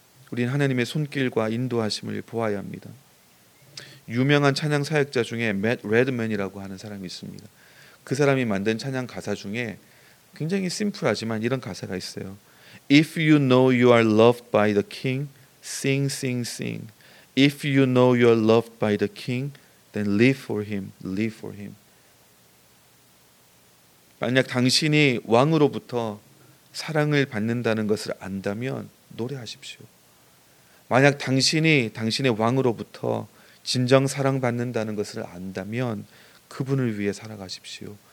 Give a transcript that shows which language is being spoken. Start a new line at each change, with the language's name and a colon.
Korean: 우리는 하나님의 손길과 인도하심을 보아야 합니다. 유명한 찬양 사역자 중에 맷 레드맨이라고 하는 사람이 있습니다. 그 사람이 만든 찬양 가사 중에 굉장히 심플하지만 이런 가사가 있어요.
English: If you know you are loved by the king, sing, sing, sing. If you know you are loved by the king, then live for him, live for him.
Korean: 만약 당신이 왕으로부터 사랑을 받는다는 것을 안다면 노래하십시오. 만약 당신이 당신의 왕으로부터 진정 사랑받는다는 것을 안다면 그분을 위해 살아가십시오.